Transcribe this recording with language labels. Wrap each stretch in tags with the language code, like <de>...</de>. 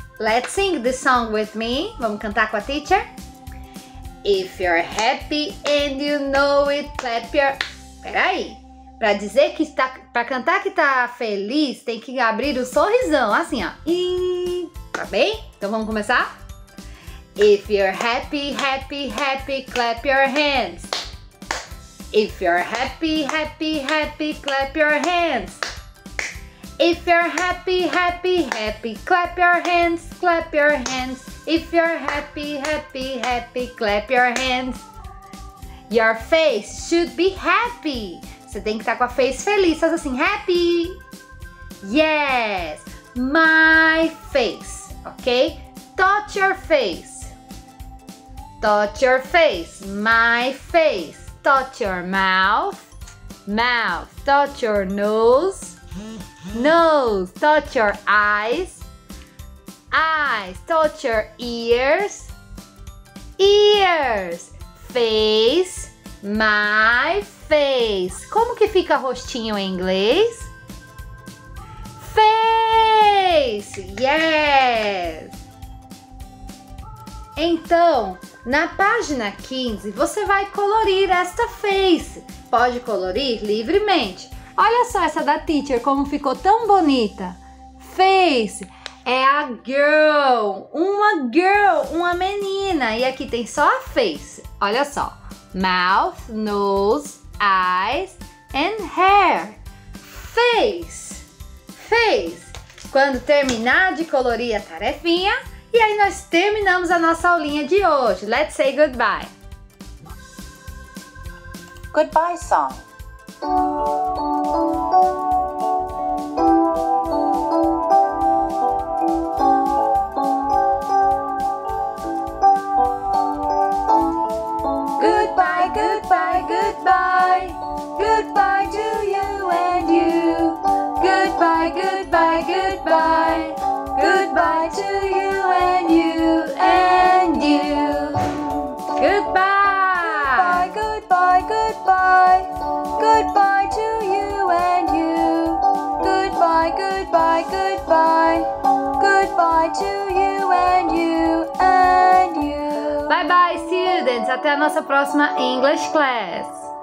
<en>Let's sing this song with me.</en> <pt>Vamos cantar com a teacher?</pt> <en>If you're happy and you know it, clap your... Peraí.</en> <pt>Pra dizer que tá, pra cantar que tá feliz, tem que abrir o sorrisão, assim, ó. E tá bem? Então vamos começar?</pt> <en>If you're happy, happy, happy, clap your hands. If you're happy, happy, happy, clap your hands. If you're happy, happy, happy, clap your hands, clap your hands. If you're happy, happy, happy, clap your hands. Your face should be happy.</en> <pt>Você tem que estar com a face feliz, faz assim, happy.</pt> <en>Yes, my face, ok? Touch your face. Touch your face, my face. Touch your mouth, mouth. Touch your nose, nose. Touch your eyes, eyes. Touch your ears, ears. Face, my face.</en> <pt>Como que fica rostinho em inglês?</pt> <en>Face, yes.</en> <pt>Então, na página 15, você vai colorir esta face. Pode colorir livremente. Olha só essa da teacher, como ficou tão bonita. Face é a girl, uma girl, uma menina. E aqui tem só a face. Olha só.</pt> <en>Mouth, nose, eyes and hair. Face, face.</en> <pt>Quando terminar de colorir a tarefinha, e aí nós terminamos a nossa aulinha de hoje.</pt> <en>Let's say goodbye. Goodbye song. Goodbye, goodbye, goodbye. Goodbye to you and you. Goodbye, goodbye, goodbye. Goodbye to you and you and you. Goodbye. Goodbye, goodbye, goodbye. Goodbye to you and you. Goodbye, goodbye, goodbye. Goodbye to you and you and you. Bye bye students,</en> <pt>até a nossa próxima</pt> <en>English class.</en>